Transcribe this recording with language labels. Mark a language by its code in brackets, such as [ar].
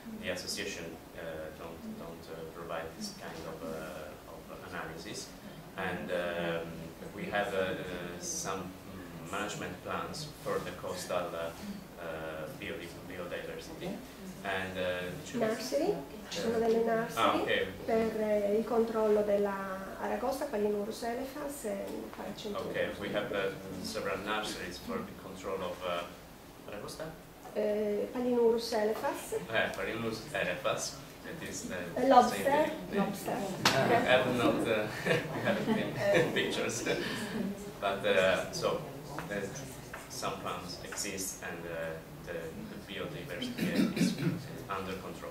[en] The association don't provide this kind of analysis. And we have some management plans for the coastal biodiversity. And [it] nursery, ci sono delle nursery per il controllo della aragosta, palinurus elephas e paracentrotus. [en] Okay, we have several nurseries for the control of aragosta. Palinurus elephas. Palinurus elephas. Lobster. I have not had pictures, but so some plants exist and the biodiversity is under control.